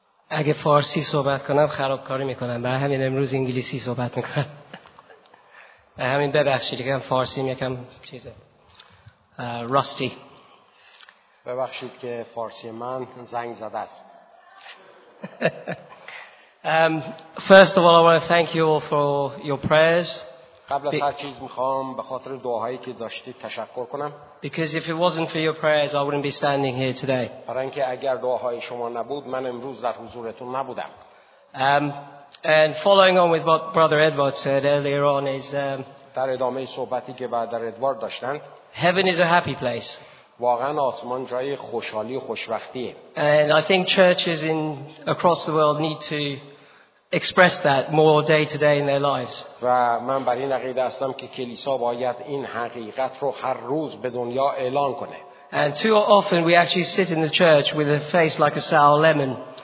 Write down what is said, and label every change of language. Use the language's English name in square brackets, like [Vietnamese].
[Persian] اگه فارسی صحبت کنم خرابکاری میکنم، برای همین امروز انگلیسی صحبت میکنم. برای همین ببخشید که فارسیم یکم چیزه راستی. ببخشید که فارسی من زنگ زده است. [English] First of all, I want to thank you all for your prayers. [Persian] قبل از هر چیز میخوام به خاطر دعاهایی که داشتی تشکر کنم. [English] Because if it wasn't for your prayers, I wouldn't be standing here today. [Persian] برای اینکه اگر دعاهای شما نبود، من امروز در حضورتون نبودم. [English] And following on with what Brother Edward said earlier on is. [Persian] در ادامه صحبتی که برادر ادوارد داشتند. [English] Heaven is a happy place. [Persian] واقعا آسمان جای خوشحالی و خوشبختیه. [English] And I think churches in across the world need to express that more day to day in their lives. [Persian] و من بر این عقیده هستم که کلیسا باید این حقیقت رو هر روز به دنیا اعلان کنه. [English] And too often we actually sit in the church with a face like a sour lemon.